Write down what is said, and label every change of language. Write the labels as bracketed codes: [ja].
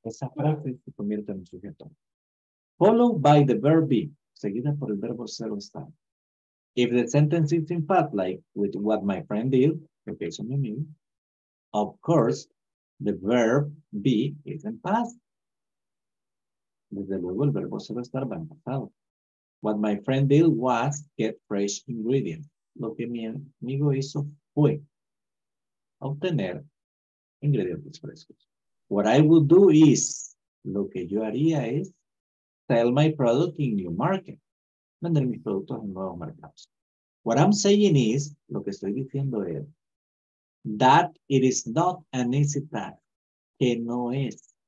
[es] Esa frase se convierte en sujeto. [en] Followed by the verb be. [es] Seguida por el verbo ser o estar. [en] If the sentence is in fact like with what my friend did, okay, so me, of course, the verb be is in past. [es] Desde luego, el verbo ser o estar va en pasado. [en] What my friend did was get fresh ingredients. [es] Lo que mi amigo hizo fue obtener ingredientes frescos. [en] What I would do is, [es] lo que yo haría es, [en] sell my product in new market. [es] Vender mis productos en nuevos mercados. [en] What I'm saying is, [es] lo que estoy diciendo es, [en] that it is not an easy task. [es] Que no es.